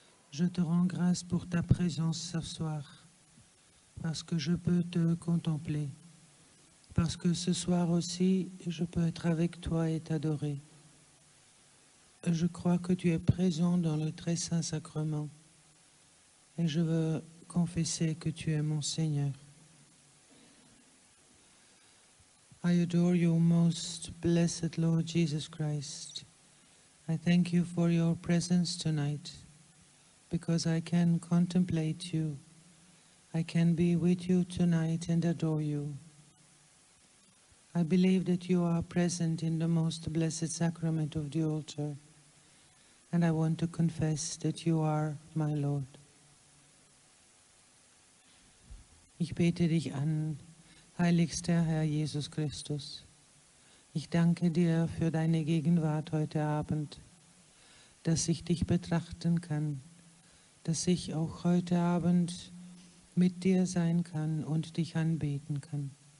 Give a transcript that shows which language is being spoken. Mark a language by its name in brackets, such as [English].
[French] Je te rends grâce pour ta présence ce soir, parce que je peux te contempler, parce que ce soir aussi, je peux être avec toi et t'adorer. Je crois que tu es présent dans le très saint sacrement, et je veux confesser que tu es mon Seigneur. [English] I adore you, most blessed Lord Jesus Christ. I thank you for your presence tonight, because I can contemplate you. I can be with you tonight and adore you. I believe that you are present in the most blessed sacrament of the altar, and I want to confess that you are my Lord. [German] Ich bete dich an, heiligster Herr Jesus Christus. Ich danke dir für deine Gegenwart heute Abend, dass ich dich betrachten kann, dass ich auch heute Abend mit dir sein kann und dich anbeten kann.